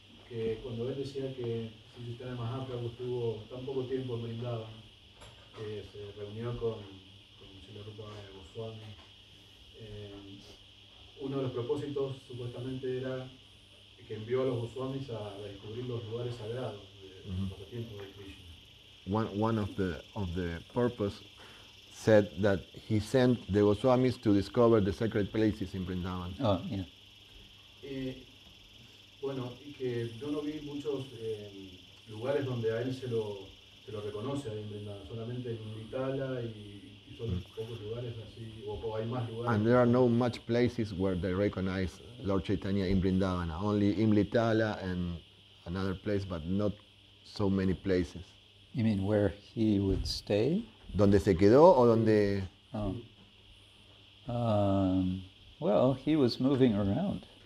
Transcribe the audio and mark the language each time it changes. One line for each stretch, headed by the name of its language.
Spanish: Que cuando él decía que si Chaitanya Mahaprabhu estuvo tan poco tiempo en Vrindavan, que se reunió con Srila Rupa Goswami, uno de los propósitos supuestamente era que envió a los Goswamis a descubrir los lugares sagrados de los pasatiempos de Krishna.
English: One of the purpose said that he sent the Goswamis to discover the sacred places in Vrindavan. Oh, yeah.
Spanish: Bueno, que yo no vi muchos lugares donde a él se lo reconoce ahí en Vrindavan. Solamente en Itala y son pocos lugares así, o hay más lugares.
English: And there are no much places where they recognize Lord Chaitanya in Vrindavan. Only in Itala and another place, but not so many places. You mean where he would stay?
Spanish: ¿Dónde se quedó o dónde?
English: Oh. Well, he was moving around.